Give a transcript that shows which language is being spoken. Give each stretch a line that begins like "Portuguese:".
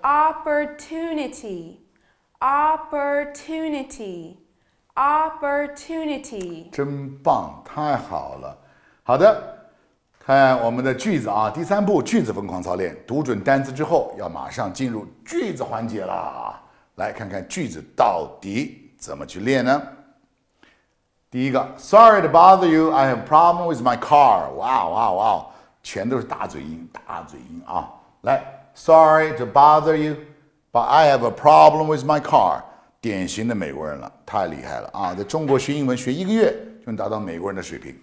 English: Opportunity, opportunity, opportunity.
Chinese: 真棒，太好了。好的。看我们的句子啊，第三步句子疯狂操练，读准单词之后，要马上进入句子环节啦。来看看句子到底怎么去练呢？
English: 第一个，Sorry to bother you, I have a problem with my car.
Chinese: Wow, wow, wow, 全都是大嘴音，大嘴音啊！
English: 来，Sorry to bother you, but I have a problem with my car.
Chinese: 典型的美国人了，太厉害了啊！在中国学英文学一个月就能达到美国人的水平。